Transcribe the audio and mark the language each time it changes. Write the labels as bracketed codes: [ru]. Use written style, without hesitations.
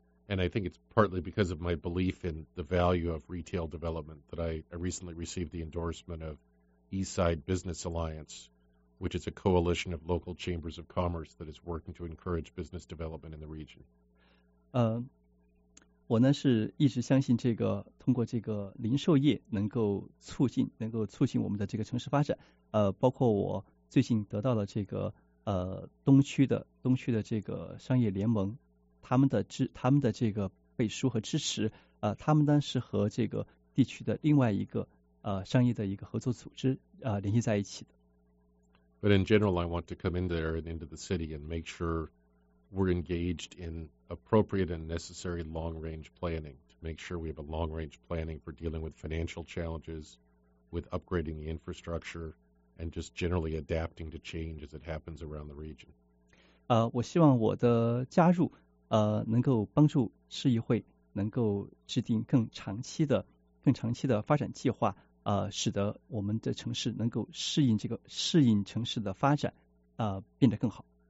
[en] And I think it's partly because of my belief in the value of retail development that I recently received the endorsement of Eastside Business Alliance, which is a coalition of local chambers of commerce that is working to encourage business development in the region. [zh] 我呢是一直相信这个通过这个零售业能够促进我们的这个城市发展。包括我最近得到了这个东区的这个商业联盟。他们的这个背书和支持，他们呢是和这个地区的另外一个商业的一个合作组织联系在一起的。 [en] But in general, I want to come in there and into the city and make sure we're engaged in appropriate and necessary long-range planning to make sure we have a long-range planning for dealing with financial challenges, with upgrading the infrastructure, and just generally adapting to change as it happens around the region. [zh] 我希望我的加入。能够帮助市议会能够制定更长期的发展计划，使得我们的城市能够适应城市的发展，变得更好。